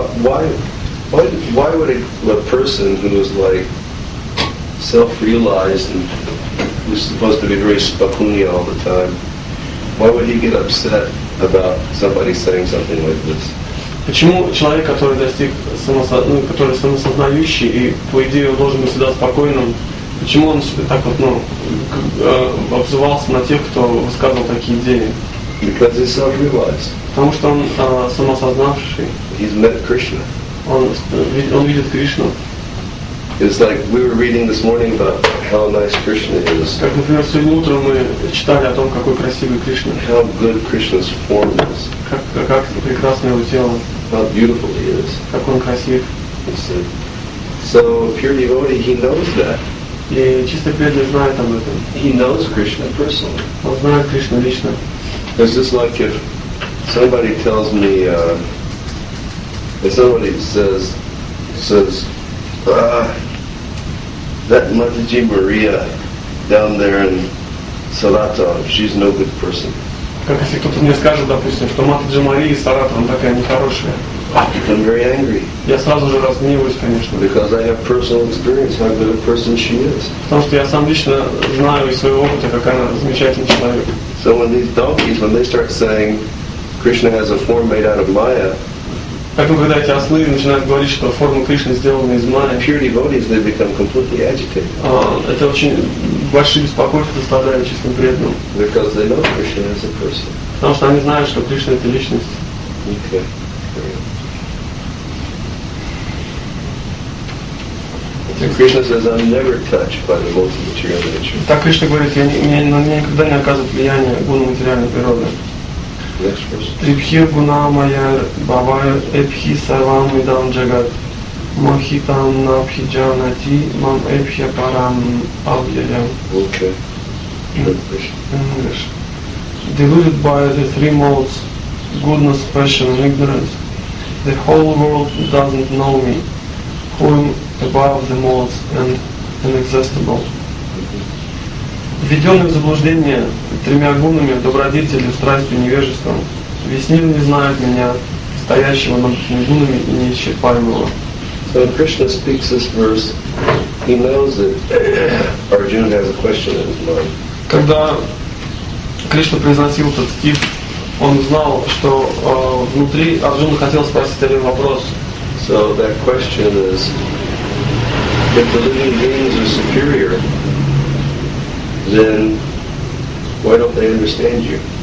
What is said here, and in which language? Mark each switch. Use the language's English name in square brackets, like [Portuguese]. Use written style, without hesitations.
[English] Why would a person who is like self-realized and who's supposed to be very spakuni all the time, why would he get upset about somebody saying something like this? [Russian] Почему человек, который достиг который самосознающий и по идее он должен быть всегда спокойным, почему он так вот обзывался на тех, кто высказывал такие идеи? [English] Because he's self-realized. [Russian] Потому что он самосознавший. [English] He's met Krishna. [Russian] Он видит Кришну. [English] It's like we were reading this morning about how nice Krishna is. [Russian] Как, например, сегодня утром мы читали о том, какой красивый Кришна. [English] How good Krishna's form is. [Russian] Как прекрасное его тело. [English] How beautiful he is. [Russian] Как он красив. [English] So pure devotee, he knows that. [Russian] И чисто преданный знает об этом. [English] He knows Krishna personally. [Russian] Он знает Кришну лично. [English] It's just like if somebody tells me, if somebody says, that Mataji Maria down there in Saratov, she's no good person. [Russian] Как если кто-то мне скажет, допустим, что Матаджи Мария из Саратова такая нехорошая. [English] I become very angry. [Russian] Я сразу же разгниваюсь, конечно. [English] Because I have personal experience how good a person she is. [Russian] Потому что я сам лично знаю из своего опыта, какая она замечательный человек. [English] So when these donkeys, when they start saying Krishna has a form made out of Maya, [Russian] Поэтому, когда эти ослы начинают говорить, что форма Кришны сделана из мая, [English] pure devotees, they become completely agitated. [Russian] Это очень большие беспокойства доставляют честным преданным. [English] Because they know Krishna as a person. [Russian] Потому что они знают, что Кришна — это личность. [English] Okay. Krishna says, "I'm never touched by the multi-material nature." [Russian] Так Кришна говорит, на меня никогда не оказывает влияние гуна материальной природы. [English] Next verse. [Sanskrit] Трибхир гуна майя бавая эпхи сарвам идам джагат махитам набхи джанати мам эпхи парам абьяям. [English] Okay. English. Deluded by the three modes, goodness, passion, and ignorance, the whole world doesn't know me, who am above the modes and inexhaustible. [Russian] Введенный в заблуждение тремя гунами, добродетелью, страстью, невежеством, весь мир не знает меня, стоящего над этими гунами и неисчерпаемого. [English] So when Krishna speaks this verse, he knows that Arjuna has a question in his mind. [Russian] Когда Кришна произносил этот стих, он знал, что внутри Арджуна хотел спросить один вопрос. [English] So that question is, if the living beings are superior, then why don't they understand you?